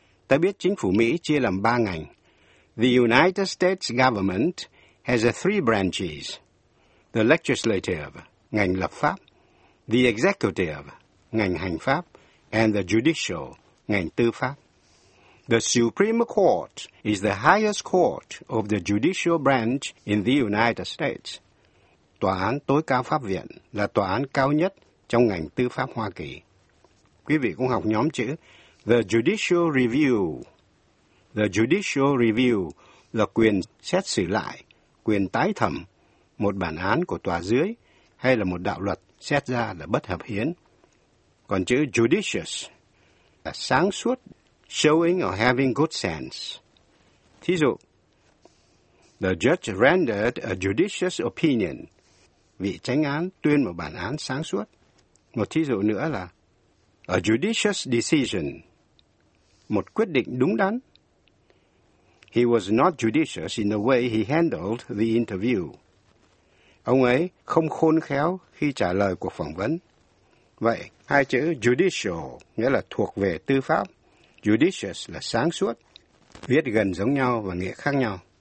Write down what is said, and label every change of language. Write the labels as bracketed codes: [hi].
[vi] Ta biết chính phủ Mỹ chia làm ba ngành. [en] The United States government has three branches. [vi] The legislative, ngành lập pháp. The executive, ngành hành pháp. And the judicial, ngành tư pháp. [en] The Supreme Court is the highest court of the judicial branch in the United States. [vi] Tòa án tối cao Pháp viện là tòa án cao nhất trong ngành tư pháp Hoa Kỳ. Quý vị cũng học nhóm chữ The Judicial Review. The Judicial Review là quyền xét xử lại, quyền tái thẩm một bản án của tòa dưới hay là một đạo luật xét ra là bất hợp hiến. Còn chữ judicious là sáng suốt, [en] showing or having good sense. [vi] Thí dụ, [en] the judge rendered a judicious opinion. [vi] Vị chánh án tuyên một bản án sáng suốt. Một thí dụ nữa là [en] a judicious decision. [vi] Một quyết định đúng đắn. [en] He was not judicious in the way he handled the interview. [vi] Ông ấy không khôn khéo khi trả lời cuộc phỏng vấn. Vậy, hai chữ judicial nghĩa là thuộc về tư pháp. Judicious là sáng suốt. Viết gần giống nhau và nghĩa khác nhau.